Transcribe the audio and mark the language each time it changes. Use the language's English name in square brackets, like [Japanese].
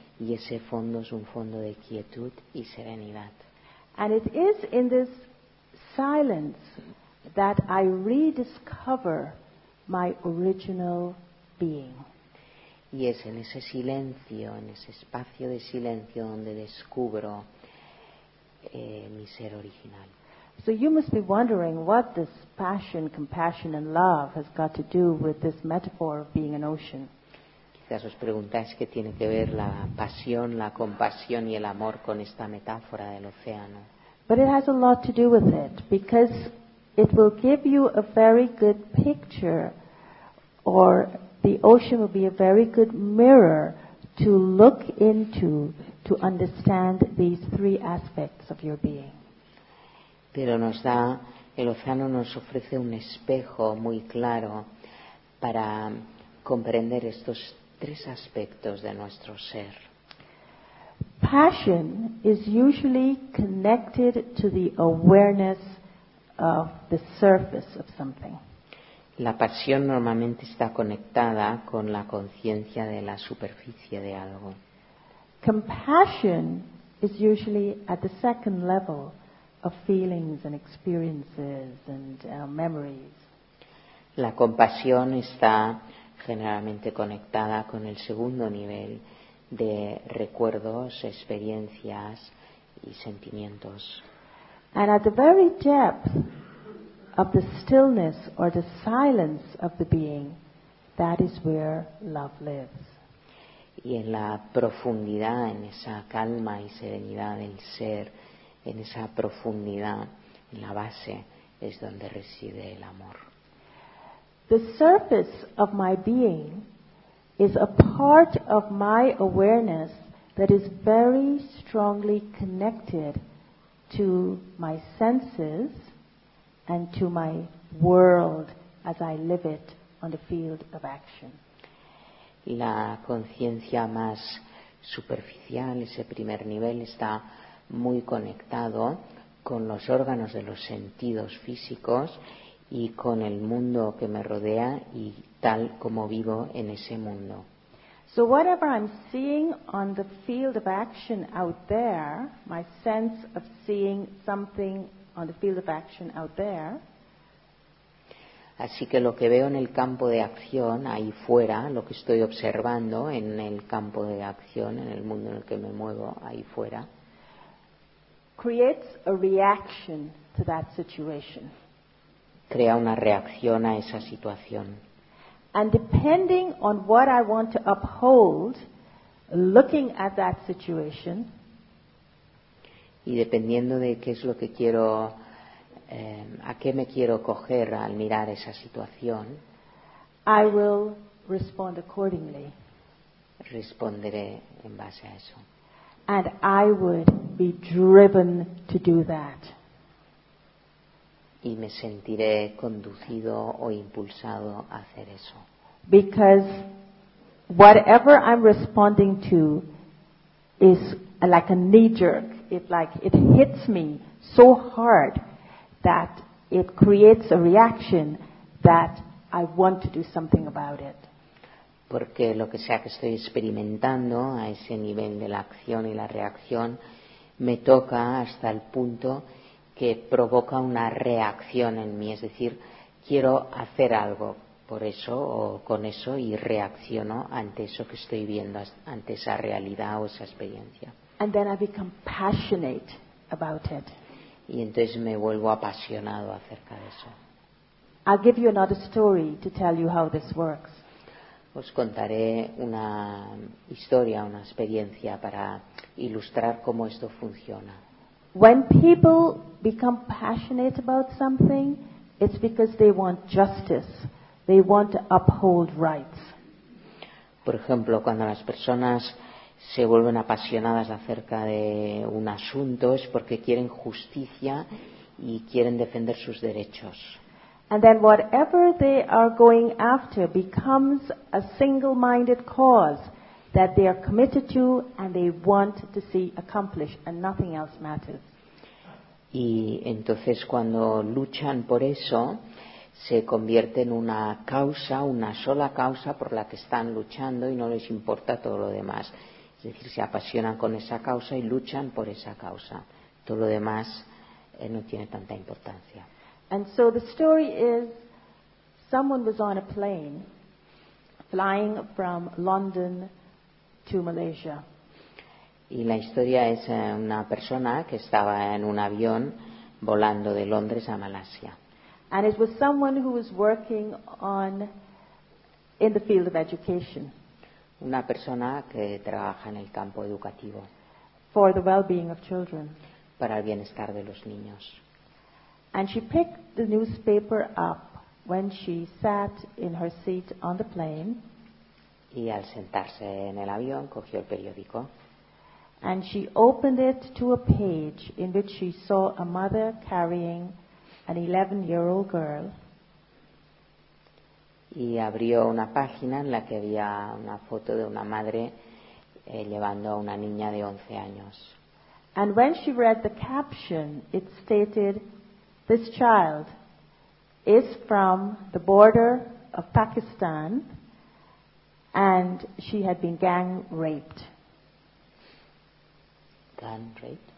[Spanish] Y ese fondo es un fondo de quietud y serenidad. [English] And it is in this silence that I rediscover my original being. [Spanish] Y es en ese silencio, en ese espacio de silencio, donde descubro mi ser original. [English] So you must be wondering what this passion, compassion and love has got to do with this metaphor of being an ocean. [Spanish] Quizás os preguntáis qué tiene que ver la pasión, la compasión y el amor con esta metáfora del océano. [English] But it has a lot to do with it because it will give you a very good picture, or the ocean will be a very good mirror to look into to understand these three aspects of your being. [Spanish] Pero el océano nos ofrece un espejo muy claro para comprender estos tres aspectos de nuestro ser. [English] Passion is usually connected to the awareness of the surface of something. [Spanish] La pasión normalmente está conectada con la conciencia de la superficie de algo. [English] Compassion is usually at the second level of feelings and experiences and memories. [Spanish] La compasión está generalmente conectada con el segundo nivel de recuerdos, experiencias y sentimientos. [English] And at the very depth of the stillness or the silence of the being, that is where love lives. [Spanish] Y en la profundidad, en esa calma y serenidad del ser, en esa profundidad, en la base, es donde reside el amor. [English] The surface of my being is a part of my awareness that is very strongly connected to my senses and to my world as I live it on the field of action. [Spanish] La conciencia más superficial, ese primer nivel, está muy conectado con los órganos de los sentidos físicos y con el mundo que me rodea y tal como vivo en ese mundo. [English] So whatever I'm seeing on the field of action out there, my sense of seeing something on the field of action out there. [Spanish] Así que lo que veo en el campo de acción ahí fuera, lo que estoy observando en el campo de acción, en el mundo en el que me muevo ahí fuera, [English] creates a reaction to that situation. [Spanish] Crea una reacción a esa situación. [English] And depending on what I want to uphold, looking at that situation, [Spanish] y dependiendo de qué es lo que quiero, a qué me quiero coger al mirar esa situación, [English] I will respond accordingly. [Spanish] Responderé en base a eso. [English] And I would be driven to do that. [Spanish] Y me sentiré conducido o impulsado a hacer eso. [English] Because whatever I'm responding to is like a knee jerk. It hits me so hard that it creates a reaction that I want to do something about it. [Spanish] Porque lo que sea que estoy experimentando a ese nivel de la acción y la reacción me toca hasta el punto que provoca una reacción en mí, es decir, quiero hacer algo por eso o con eso y reacciono ante eso que estoy viendo, ante esa realidad o esa experiencia. [English] And then I become passionate about it. [Spanish] Y entonces me vuelvo apasionado acerca de eso. [English] I'll give you another story to tell you how this works. [Spanish] Os contaré una historia, una experiencia para ilustrar cómo esto funciona. [English] When people become passionate about something, it's because they want justice. They want to uphold rights. [Spanish] Por ejemplo, cuando las personas se vuelven apasionadas acerca de un asunto es porque quieren justicia y quieren defender sus derechos. [English] And then whatever they are going after becomes a single-minded cause that they are committed to and they want to see accomplished, and nothing else matters. [Spanish] Y entonces cuando luchan por eso se convierte en una causa, una sola causa por la que están luchando y no les importa todo lo demás. Es decir, se apasionan con esa causa y luchan por esa causa. Todo lo demás no tiene tanta importancia. [English] And so the story is, someone was on a plane flying from London to Malaysia. [Spanish] Y la historia es una persona que estaba en un avión volando de Londres a Malasia. [English] And it was someone who was working on in the field of education. [Spanish] Una persona que trabaja en el campo educativo. [English] For the well-being of children. [Spanish] Para el bienestar de los niños. [English] And she picked the newspaper up when she sat in her seat on the plane. [Spanish] Y al sentarse en el avión cogió el periódico. [English] And she opened it to a page in which she saw a mother carrying an 11-year-old girl. [Spanish] Y abrió una página en la que había una foto de una madre llevando a una niña de 11 años. [English] And when she read the caption, it stated, "This child is from the border of Pakistan and she had been gang raped." Gang raped?